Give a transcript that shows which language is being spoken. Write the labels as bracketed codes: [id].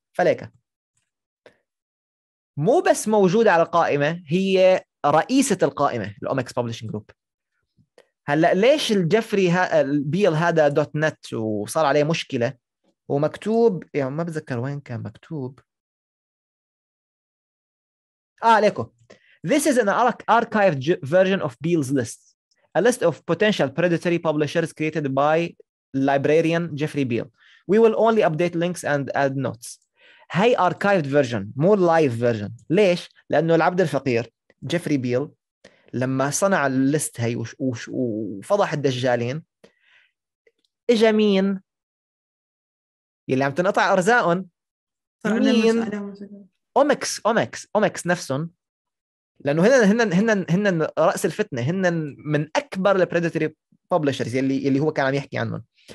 [ar] فليكا مو بس موجودة على القائمة، هي رئيسة القائمة الأوميكس ببلشنج جروب. هلأ ليش الجفري بيل هذا دوت نت وصار عليه مشكلة ومكتوب، يعني ما بتذكر وين كان مكتوب. عليكم. [en] This is an archived version of Beale's list, a list of potential predatory publishers created by librarian Jeffrey Beal. We will only update links and add notes. [ar] هاي [en] archived version [ar] مو [en] live version. [ar] ليش؟ لأنه العبد الفقير جيفري بيل لما صنع الليست هاي وفضح الدجالين، إجا مين يلي عم تنقطع أرزاقهم؟ مين؟ أوميكس. أوميكس أوميكس نفسهم، لأنه هن رأس الفتنة، هن من أكبر البريدتري ببلشرز يلي هو كان عم يحكي عنهم.